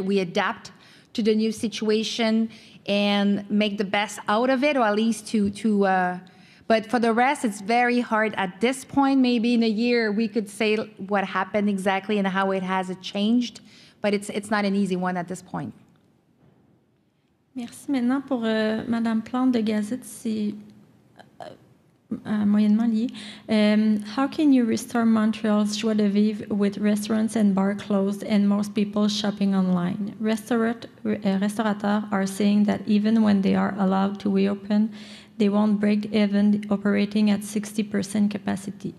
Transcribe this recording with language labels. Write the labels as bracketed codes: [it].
[en] We adapt to the new situation and make the best out of it, or at least but for the rest, it's very hard at this point. Maybe in a year we could say what happened exactly and how it has changed, but it's not an easy one at this point. [fr] Merci. Maintenant, pour Madame Plante de Gazette, c'est moyennement lié. [en] How can you restore Montreal's joie de vivre with restaurants and bars closed and most people shopping online? Restaurateurs are saying that even when they are allowed to reopen, they won't break even operating at 60% capacity.